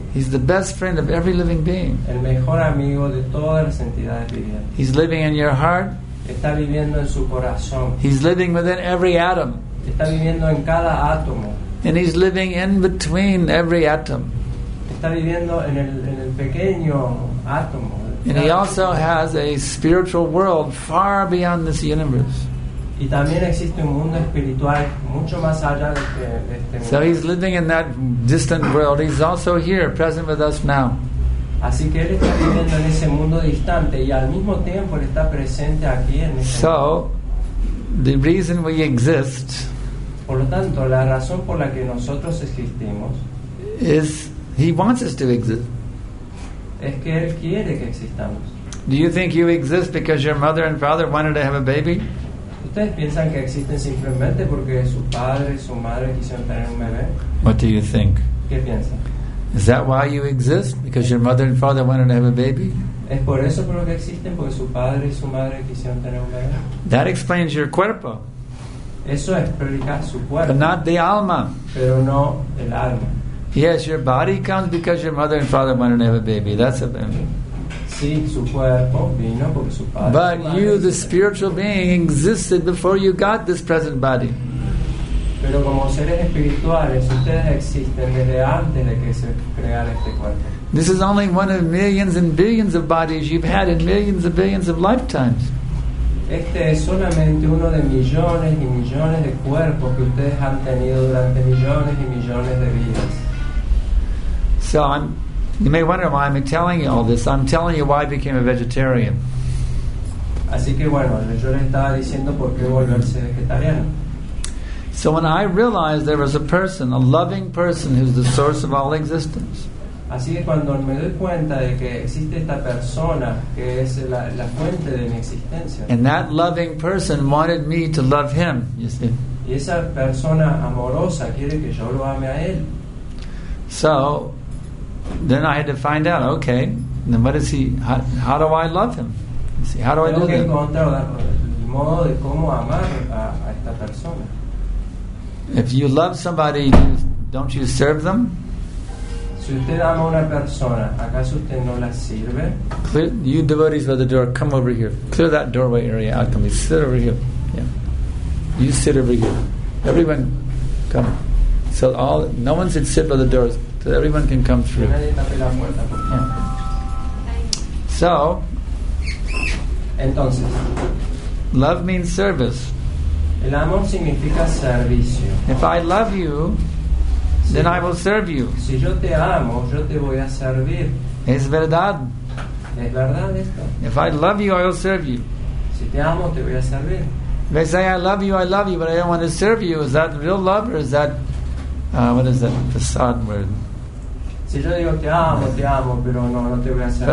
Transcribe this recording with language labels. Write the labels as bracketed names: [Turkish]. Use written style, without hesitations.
[English] He's the best friend of every living being. [Spanish] El mejor amigo de todas las entidades vivientes. [English] He's living in your heart. [Spanish] Está viviendo en su corazón. [English] He's living within every atom. [Spanish] Está viviendo en cada átomo. [English] And he's living in between every atom. [Spanish] Está viviendo en el pequeño átomo. [English] And he also has a spiritual world far beyond this universe. [Spanish] Y también existe un mundo espiritual mucho más allá de este mundo. [English] So he's living in that distant world. He's also here, present with us now. [Spanish] Así que él está viviendo en ese mundo distante y al mismo tiempo él está presente aquí en este mundo. [English] So the reason we exist, [Spanish] por lo tanto, la razón por la que nosotros existimos, [English] is he wants us to exist. [Spanish] Es que él quiere que existamos. [English] Do you think you exist because your mother and father wanted to have a baby? [Spanish] ¿Ustedes piensan que existen simplemente porque su padre y su madre quisieron tener un bebé? [English] What do you think? [Spanish] ¿Qué piensan? [English] Is that why you exist? Because your mother and father wanted to have a baby? [Spanish] ¿Es por eso por lo que existen? Porque su padre y su madre quisieron tener un bebé. [English] That explains your cuerpo. [Spanish] Eso explica su cuerpo. [English] But not the alma. [Spanish] Pero no el alma. [English] Yes, your body comes because your mother and father wanted to have a baby. That's a baby. [Spanish] Sí, su cuerpo vino porque su padre. [English] But you, the spiritual being, existed before you got this present body. [Spanish] Pero como seres espirituales, ustedes existen desde antes de que se creara este cuerpo. [English] This is only one of millions and billions of bodies you've had in millions and billions of lifetimes. [Spanish] Este es solamente uno de millones y millones de cuerpos que ustedes han tenido durante millones y millones de vidas. [English] So you may wonder why I'm telling you all this. I'm telling you why I became a vegetarian. [Spanish] Así que bueno, yo le estaba diciendo por qué volverse vegetariano. [English] So when I realize there is a person, a loving person, who's the source of all existence, [Spanish] así que cuando me doy cuenta de que existe esta persona que es la fuente de mi existencia, [English] and that loving person wanted me to love him, you see. [Spanish] Y esa persona amorosa quiere que yo lo ame a él. [English] So then I had to find out, okay, then what is he, how do I love him? You see, how do [Spanish] tengo [English] I do [Spanish] que encontrar el modo de cómo amar a esta persona. [English] If you love somebody, don't you serve them? [Spanish] Si usted ama a una persona, ¿acaso usted no la sirve? [English] Clear, you devotees by the door, come over here. Clear that doorway area out to me. Sit over here. Yeah. You sit over here. Everyone, come. So all, no one should sit by the doors, so everyone can come through. Yeah. So, [Spanish] entonces, [English] love means service. [Spanish] El amor significa servicio. [English] If I love you, then I will serve you. [Spanish] Si yo te amo, yo te voy a servir. Es verdad. Es verdad esto. [English] If I love you, I will serve you. [Spanish] Si te amo, te voy a servir. [English] If I say I love you, but I don't want to serve you, is that real love or is that what is that facade word? [Spanish] Si yo digo te amo, pero no, no te voy a servir.